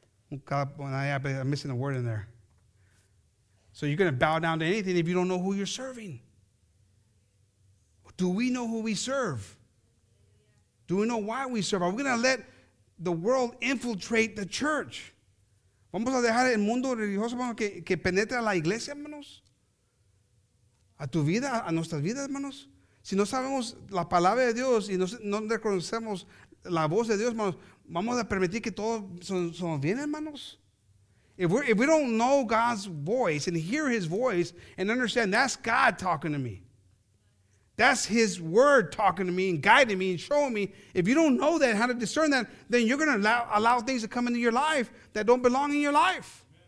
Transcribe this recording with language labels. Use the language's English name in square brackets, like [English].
[English] I'm missing a word in there. So you're gonna bow down to anything if you don't know who you're serving. Do we know who we serve? Do we know why we serve? Are we gonna let the world infiltrate the church? [Spanish] ¿Vamos a dejar el mundo religioso, hermanos, que penetre a la iglesia, hermanos? ¿A tu vida, a nuestras vidas, hermanos? Si no sabemos la palabra de Dios y no reconocemos la voz de Dios, hermanos, ¿vamos a permitir que todo se nos viene, hermanos? [English] If we don't know God's voice and hear his voice and understand that's God talking to me, that's his word talking to me and guiding me and showing me. If you don't know that, how to discern that, then you're going to allow things to come into your life that don't belong in your life.